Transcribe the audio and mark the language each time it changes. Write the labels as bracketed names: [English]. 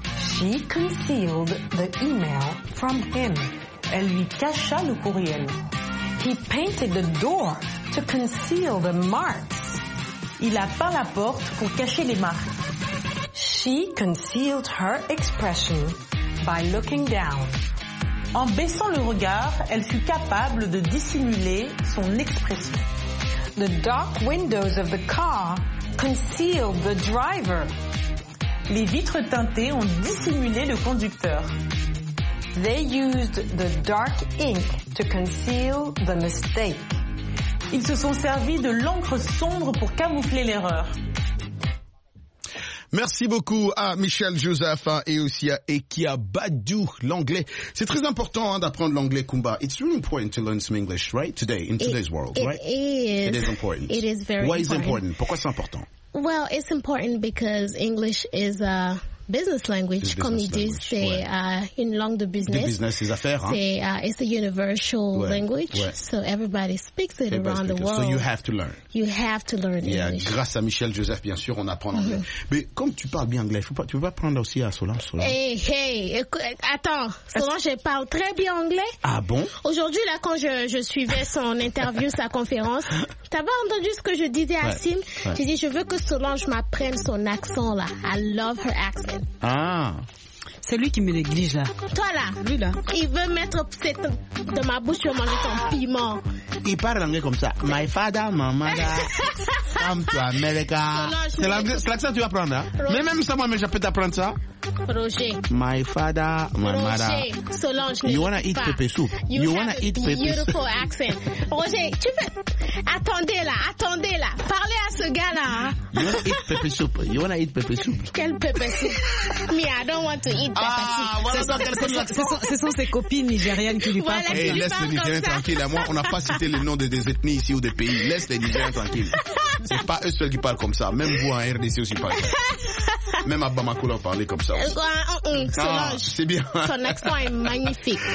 [English] She concealed the email from him. [French] Elle lui cacha le courriel. [English] He painted the door to conceal the marks. [French] Il a peint la porte pour cacher les marques. [English] She concealed her expression by looking down. [French] En baissant le regard, elle fut capable de dissimuler son expression. [English] The dark windows of the car concealed the driver. [French] Les vitres teintées ont dissimulé le conducteur. [English] They used the dark ink to conceal the mistake. [French] Ils se sont servis de l'encre sombre pour camoufler l'erreur. Merci beaucoup à Michel Joseph et aussi à Ekia Badou, l'anglais. C'est très important d'apprendre l'anglais, Kumba. [English] It's really important to learn some English, right? Today, in today's world, right? It is important. It is very important. Why is it important? [French] Pourquoi c'est important? [English] Well, it's important because English is a business language, [French] comme ils disent, c'est une langue de business. De business, c'est affaires. Hein? [English] C'est it's a universal language, so everybody speaks it around the world. So you have to learn. You have to learn English. [French] Et grâce à Michel Joseph, bien sûr, on apprend l'anglais. Mm-hmm. Mais comme tu parles bien anglais, tu peux pas apprendre aussi à Solange. Hey, écoute, attends, Solange, je parle très bien anglais. Ah bon? Aujourd'hui là, quand je suivais son interview, sa conférence, t'as pas entendu ce que je disais à Sim? J'ai dit, je veux que Solange m'apprenne son accent là. [English] I love her accent. [French] Ah, c'est lui qui me néglige là. Toi là, lui là. Il veut mettre cette de ma bouche pour manger ton piment. Il parle anglais comme ça. [English] My father, my mother, come to America. [French] C'est l'accent que tu vas prendre. Hein? Mais même ça, moi, je peux t'apprendre ça. Roger. [English] My father, my Roger. Mother. Solange, you wanna eat pepper soup? You wanna eat pepper soup? Beautiful accent. [French] Roger, tu peux. Attendez là, attendez là. Parlez à ce gars là. [English] You wanna eat pepper soup? You wanna eat pepper soup? [French] Quel pepper soup? [English] Me, I don't want to eat pepper soup. [French] Ah, voilà, ce sont ses copines nigériennes qui lui voilà parlent. Hey, laisse les Nigériens tranquilles. À moi, on n'a pas cité les noms des ethnies ici ou des pays. Laisse les Nigériens tranquilles. C'est pas eux seuls qui parlent comme ça. Même vous en RDC aussi parlez. Même à Bamako, on parlait comme ça. Solange, c'est bien. Son accent est magnifique.